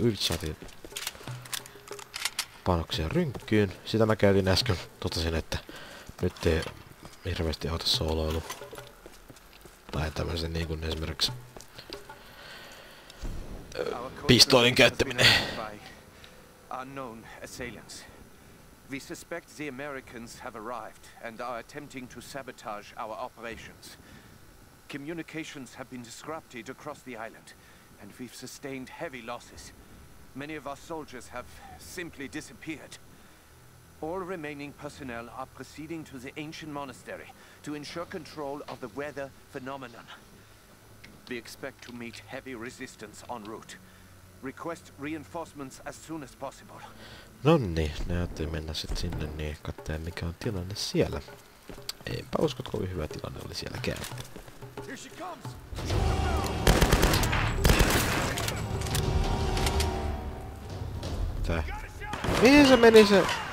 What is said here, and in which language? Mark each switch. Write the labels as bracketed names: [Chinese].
[Finnish] Uivit saatiin panoksia rynkkyyn. Sitä mä käytin äsken, totesin, että nyt ei hirveesti auta sooloilu. Tai tämmösen niinku esimerkiksi pistoolin käyttäminen. [English] Unknown assailants. We suspect the Americans have arrived and are attempting to sabotage our operations. Communications have been disrupted across the island, and we've sustained heavy losses. Many of our soldiers have simply disappeared. All remaining personnel are proceeding to the ancient monastery to ensure control of the weather phenomenon. We expect to meet heavy resistance en route. Request reinforcements as soon as possible. [Finnish] Nonni, näytti mennä sit sinne, niin katsotaan mikä on tilanne siellä. Eipä usko, että kovin hyvä tilanne oli siellä kerran. [English] Here she comes. [Finnish] Tää. Mihin se meni se?